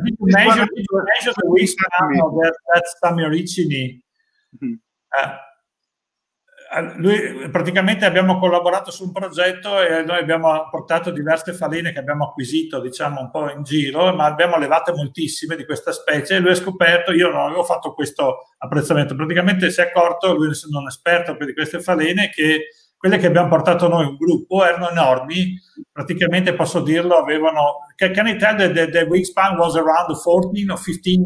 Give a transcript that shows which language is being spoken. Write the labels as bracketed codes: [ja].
[en] Did you measure the wingspan of that Samia ricini? [it] lui, praticamente abbiamo collaborato su un progetto e noi abbiamo portato diverse faline che abbiamo acquisito, diciamo, un po' in giro, ma abbiamo allevate moltissime di questa specie e lui ha scoperto, io non avevo fatto questo apprezzamento, praticamente si è accorto, lui essendo un esperto di queste falene, che quelle che abbiamo portato noi, un gruppo, erano enormi, praticamente posso dirlo, avevano... [en] Can you tell that the wingspan was around 14 or 15?